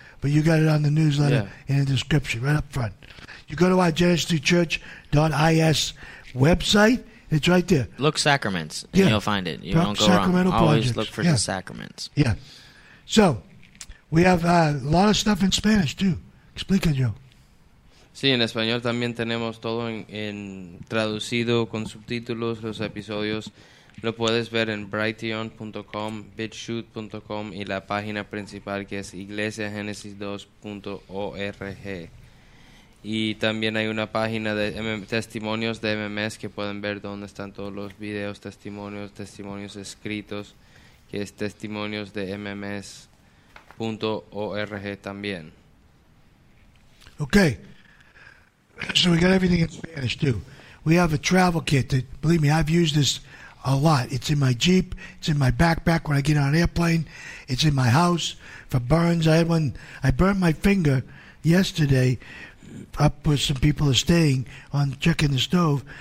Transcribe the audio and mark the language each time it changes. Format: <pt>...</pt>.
<en>But you got it on the newsletter in the description, right up front. You go to our GenesisChurch.is website. It's right there. Look sacraments, and you'll find it. You don't go Sacramento wrong. Projects. Always look for the sacraments. Yeah. So, we have a lot of stuff in Spanish, too.</en> <es>Explica, Joe. Sí, en español también tenemos todo en traducido, con subtítulos, los episodios. Lo puedes ver en brighteon.com, bitshoot.com y la página principal que es iglesiagenesis2.org. Y también hay una página de testimonios de MMS que pueden ver dónde están todos los videos, testimonios escritos, que es testimoniosdemms.org también.</es> <en>Okay. So we got everything in Spanish too. We have a travel kit that, believe me, I've used this a lot. It's in my Jeep. It's in my backpack when I get on an airplane. It's in my house for burns. I had one. I burned my finger yesterday up where some people are staying on checking the stove.</en>